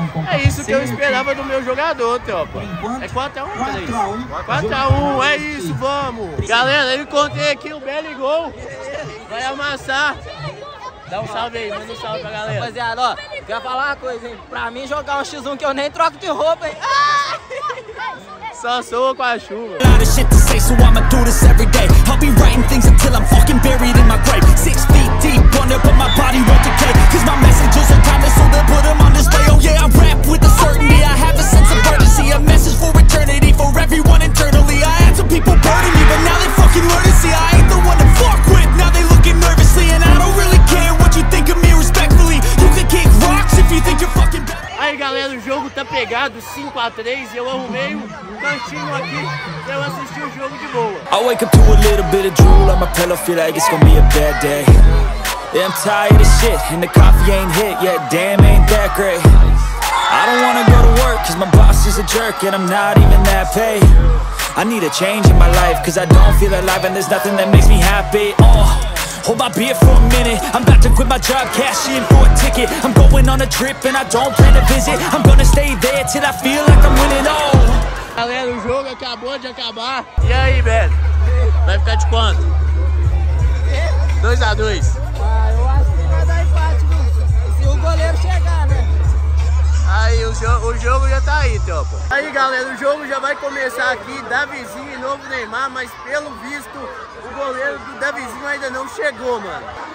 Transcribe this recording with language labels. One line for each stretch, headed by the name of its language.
Portuguese: É isso que eu esperava do meu jogador, Teopa. É 4x1, cara. 4x1, é isso, vamos. Galera, eu encontrei aqui o belo gol. Vai amassar. Dá um salve aí, manda um salve pra galera. Rapaziada, ó, quer falar uma coisa, hein? Pra mim jogar um X1 que eu nem troco de roupa, hein? Só soa com a chuva.
English: Shit to say, so I'ma do this every day. I'll be writing things until I'm fucking buried in my grave. 6 feet deep, wonder, but my body won't decay. Cause my messages are timeless, so they'll put them on display. Oh yeah, I rap with a certainty. I have a sense of urgency. A message for eternity, for everyone internally. I had some people burning me, but now they fucking learn to see. I ain't the one to fuck with, now they looking nervously. And I don't really care what you think of me respectfully. You can kick rocks if you think you're fucking better.
Portuguese: Aí galera, o jogo tá pegado, 5x3, e eu arrumei um cantinho aqui pra eu assistir o jogo de boa. I wake up to a little bit of drool on my pillow, feel like it's gonna be a bad day.
English: I'm tired of shit, and the coffee ain't hit yet, damn ain't that great. I don't wanna go to work, cause my boss is a jerk, and I'm not even that paid. I need a change in my life, cause I don't feel alive, and there's nothing that makes me happy. Hold my beer for a minute. I'm about to quit my job, cash in for a ticket. I'm going on a trip and I don't plan to visit. I'm gonna stay there till I feel like I'm winning all.
Portuguese: Galera, o jogo acabou de acabar. E aí, velho? Vai ficar de quanto? 2x2. Aí, o jogo já tá aí, Teopa. Aí, galera, o jogo já vai começar aqui. Davizinho e novo Neymar, mas pelo visto, o goleiro do Davizinho ainda não chegou, mano.